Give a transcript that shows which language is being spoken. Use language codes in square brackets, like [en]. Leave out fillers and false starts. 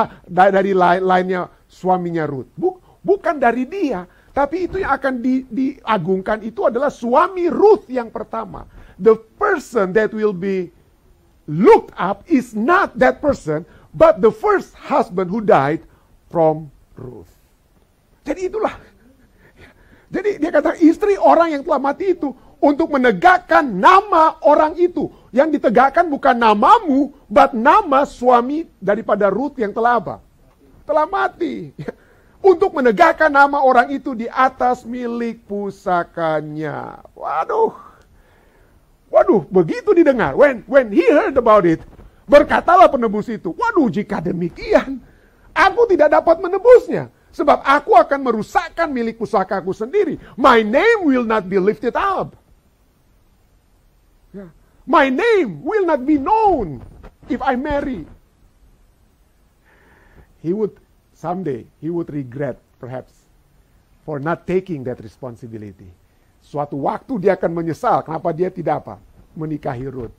[id] Dari lainnya suaminya Ruth. Bukan dari dia, tapi itu yang akan diagungkan, itu adalah suami Ruth yang pertama. [en] The person that will be looked up is not that person, but the first husband who died from Ruth. [id] Jadi itulah. Jadi dia kata istri orang yang telah mati itu untuk menegakkan nama orang itu. Yang ditegakkan bukan namamu, but nama suami daripada Ruth yang telah apa? Telah mati. Untuk menegakkan nama orang itu di atas milik pusakanya. Waduh, begitu didengar. [en] When he heard about it, [id] berkatalah penebus itu. Waduh, jika demikian, aku tidak dapat menebusnya. Sebab aku akan merusakkan milik pusakaku sendiri. [en] My name will not be lifted up. My name will not be known if I marry. Someday he would regret perhaps for not taking that responsibility. [id] Suatu waktu dia akan menyesal kenapa dia tidak apa menikahi Ruth.